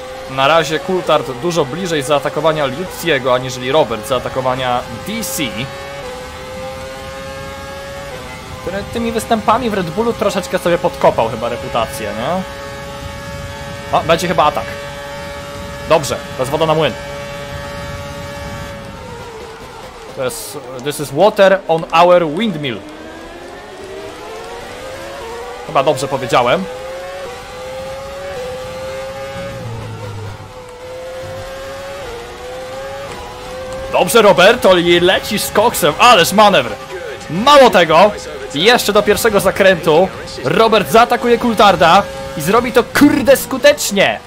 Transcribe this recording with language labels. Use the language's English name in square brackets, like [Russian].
[Polish] Na razie Coulthard dużo bliżej zaatakowania Lutziego, aniżeli Robert zaatakowania DC. Który tymi występami w Red Bullu troszeczkę sobie podkopał chyba reputację, nie? O, będzie chyba atak. Dobrze, to jest woda na młyn. To jest... [English] This is water on our windmill. [Polish] Chyba dobrze powiedziałem. Dobrze, Roberto, i lecisz z koksem. Ależ manewr. Mało tego, jeszcze do pierwszego zakrętu Robert zaatakuje Coulthard'a i zrobi to, kurde, skutecznie.